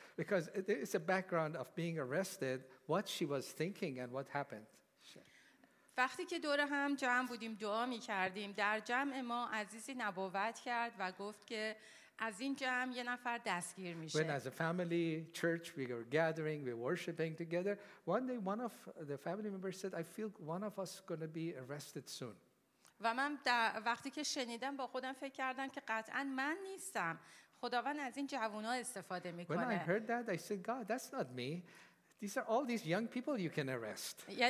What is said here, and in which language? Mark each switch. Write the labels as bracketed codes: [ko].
[en] Because there is a background of being arrested, what she was thinking and what happened. [fa] وقتی که دور هم جمع بودیم دعا می کردیم در جمع ما عزیزی نبوت کرد و گفت که از این جمع یه نفر دستگیر میشه. [en] When as a family church we were gathering, we were worshiping together, one day one of the family members said, I feel one of us is going to be arrested soon. [fa] و من در وقتی که شنیدم با خودم فکر کردم که قطعا من نیستم، خداوند از این جوونا استفاده میکنه. [en] When I heard that I said, God, that's not me. These are all these young people you can arrest.